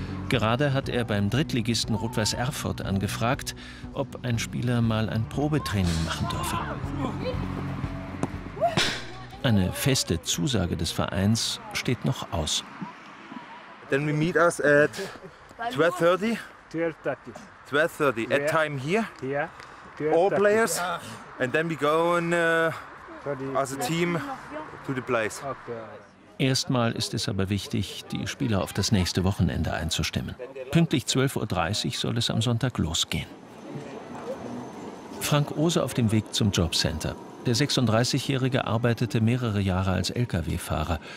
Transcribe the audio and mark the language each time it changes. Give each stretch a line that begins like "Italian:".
German: Gerade hat er beim Drittligisten Rot-Weiß Erfurt angefragt, ob ein Spieler mal ein Probetraining machen dürfe. Eine feste Zusage des Vereins steht noch aus.
English: Then we meet us at 12:30 at time here. Yeah. All players and then we go on as a team to the place.
German: Erstmal ist es aber wichtig, die Spieler auf das nächste Wochenende einzustimmen. Pünktlich 12:30 Uhr soll es am Sonntag losgehen. Frank Ose auf dem Weg zum Jobcenter. Der 36-Jährige arbeitete mehrere Jahre als Lkw-Fahrer.